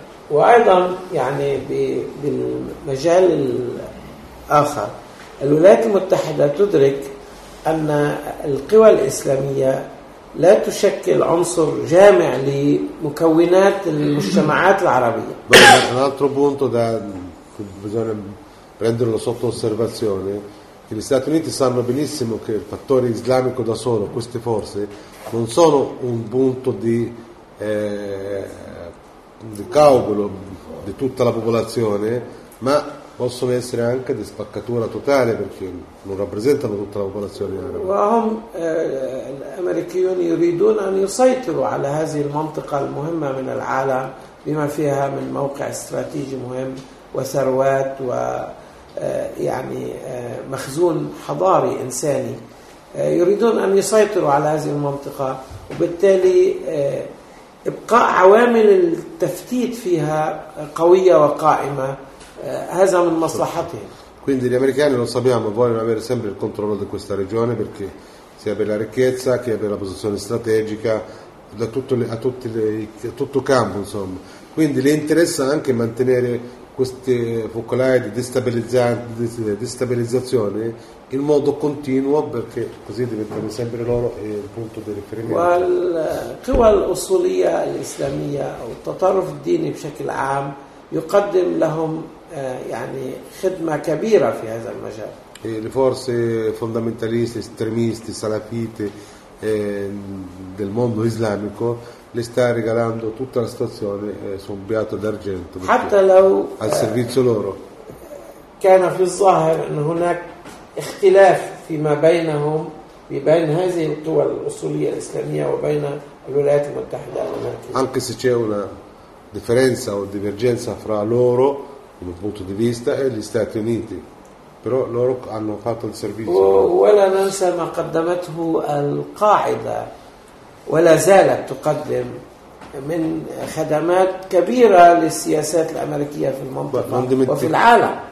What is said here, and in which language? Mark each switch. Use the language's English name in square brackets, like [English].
[Arabic] وأيضا يعني بالمجال الآخر، الولايات المتحدة تدرك أن القوى الإسلامية لا تشكل عنصر جامع لمكونات المجتمعات العربية. [Italian] Un altro punto da bisogna prenderlo sotto osservazione, che gli Stati Uniti sanno benissimo che il fattore islamico da solo, queste forze, non sono un punto di calcolo di tutta la popolazione, ma possono essere anche di spaccatura totale perché non rappresentano tutta la popolazione araba. [Arabic] وهم الأمريكيون يريدون أن يسيطروا على هذه المنطقة المهمة من العالم بما فيها من موقع استراتيجي مهم وثروات ويعني مخزون حضاري إنساني، يريدون أن يسيطروا على هذه المنطقة، وبالتالي ابقاء عوامل التفتيت فيها قوية وقائمة هذا من مصلحتهم. [Italian] Quindi gli americani lo sappiamo vogliono avere sempre il controllo di questa regione perché sia per la ricchezza che per la posizione strategica da tutto campo insomma. Quindi le interessa anche mantenere queste focolai di destabilizzazione in modo continuo perché così diventano sempre loro il punto di riferimento. [Arabic] والقوى الأصولية الإسلامية أو التطرف الديني بشكل عام يقدم لهم يعني خدمة كبيرة في هذا المجال. [Italian] Le forze fondamentaliste, estremisti, salafite del mondo islamico le sta regalando tutta la situazione su un piatto d'argento al servizio loro. [Arabic] كان في الظاهر أن هناك اختلاف فيما بينهم بين هذه القوى الأصولية الإسلامية وبين الولايات المتحدة الأمريكية. [Italian] Anche se c'è una differenza o divergenza fra loro come punto di vista e gli Stati Uniti, però loro hanno fatto il servizio. [Arabic] ولا ننسى ما قدمته القاعدة ولا زالت تقدم من خدمات كبيرة للسياسات الأمريكية في المنطقة وفي العالم.